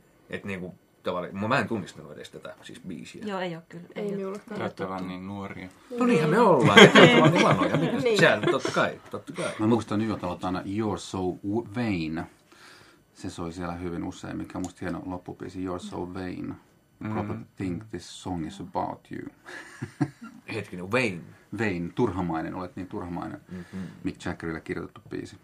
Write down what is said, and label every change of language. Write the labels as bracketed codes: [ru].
[fi] Et niinku tavallaan, mä en tunnistanut edes tätä siis biisiä. Joo, ei oo kyllä. Ei miullakaan. Täyttävän niin nuoria. No niinhän me ollaan, täyttävän niin vanhoja. Sehän totta kai. Mä muistan yötalolta aina You're So Vain. Se soi siellä hyvin usein, mikä on musta hieno loppubiisi. [en] You're So Vain. Probably think this song is about you. [fi] Hetkinen, Vain. Vein, turhamainen, olet niin turhamainen. Mm-hmm. Mick Jaggerille kirjoitettu biisi.